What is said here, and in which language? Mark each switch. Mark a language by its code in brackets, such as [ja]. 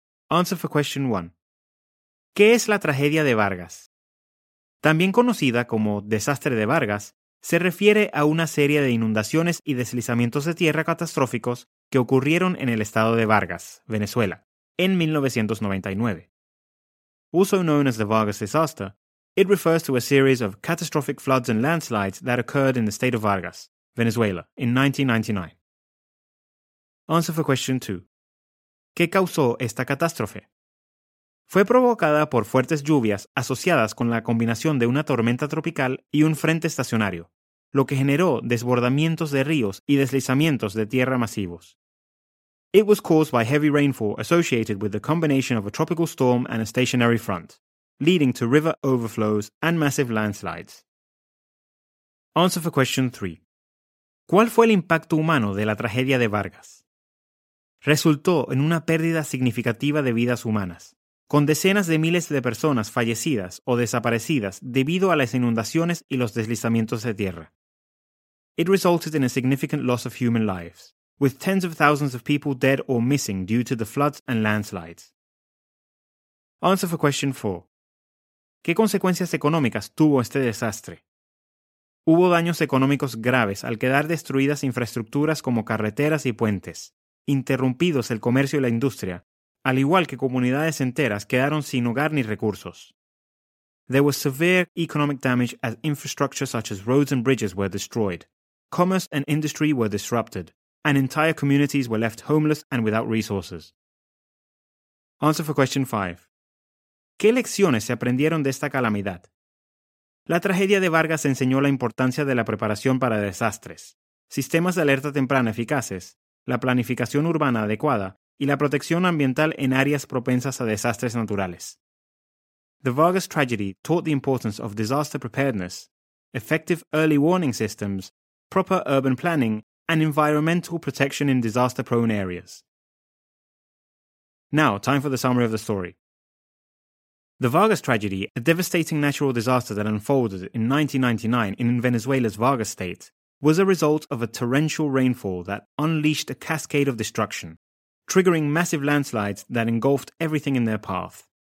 [en] Answer for question 1. [es] ¿Qué es la tragedia de Vargas? También conocida como desastre de Vargas, se refiere a una serie de inundaciones y deslizamientos de tierra catastróficos que ocurrieron en el estado de Vargas, Venezuela, en 1999. [en] Also known as the Vargas disaster, it refers to a series of catastrophic floods and landslides that occurred in the state of Vargas, Venezuela, in 1999. Answer for question 2. [es] ¿Qué causó esta catástrofe? Fue provocada por fuertes lluvias asociadas con la combinación de una tormenta tropical y un frente estacionario, lo que generó desbordamientos de ríos y deslizamientos de tierra masivos. [en] It was caused by heavy rainfall associated with the combination of a tropical storm and a stationary front, leading to river overflows and massive landslides. Answer for question 3. [es] ¿Cuál fue el impacto humano de la tragedia de Vargas? Resultó en una pérdida significativa de vidas humanas, con decenas de miles de personas fallecidas o desaparecidas debido a las inundaciones y los deslizamientos de tierra. [en] It resulted in a significant loss of human lives, with tens of thousands of people dead or missing due to the floods and landslides. Answer for question 4. [es] ¿Qué consecuencias económicas tuvo este desastre? Hubo daños económicos graves al quedar destruidas infraestructuras como carreteras y puentes, interrumpidos el comercio y la industria, al igual que comunidades enteras quedaron sin hogar ni recursos. [en] There was severe economic damage as infrastructure such as roads and bridges were destroyed. Commerce and industry were disrupted, and entire communities were left homeless and without resources. Answer for question 5. [es] ¿Qué lecciones se aprendieron de esta calamidad? La tragedia de Vargas enseñó la importancia de la preparación para desastres, sistemas de alerta temprana eficaces, la planificación urbana adecuada, y la protección ambiental en áreas propensas a desastres naturales. [en] The Vargas tragedy taught the importance of disaster preparedness, effective early warning systems, proper urban planning, and environmental protection in disaster-prone areas. Now, time for the summary of the story. The Vargas tragedy, a devastating natural disaster that unfolded in 1999 in Venezuela's Vargas state, was a result of a torrential rainfall that unleashed a cascade of destruction, triggering massive landslides that engulfed everything in their path.